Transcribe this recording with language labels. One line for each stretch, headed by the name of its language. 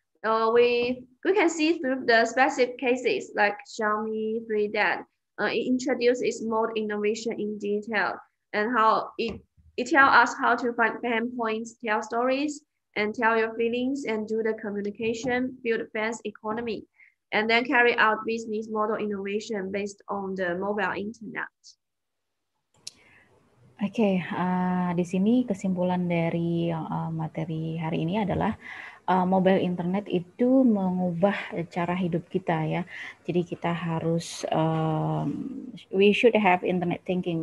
English: We can see through the specific cases like Xiaomi 3DAT, it introduced its mode innovation in detail, and how it tell us how to find pain points, tell stories, and tell your feelings and do the communication, build a fans economy, and then carry out business model innovation based on the mobile internet.
Indonesian: Oke, di sini kesimpulan dari materi hari ini adalah mobile internet itu mengubah cara hidup kita ya. Jadi kita harus
English: we should have internet thinking.